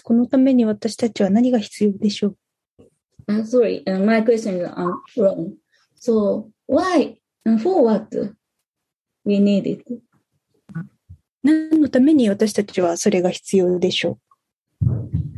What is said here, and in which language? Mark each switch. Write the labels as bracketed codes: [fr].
[ja] このために私たちは何が必要でしょう。 [en] Sorry, my question is wrong. So why and for what we need it? [ja] 何のために私たちはそれが必要でしょう。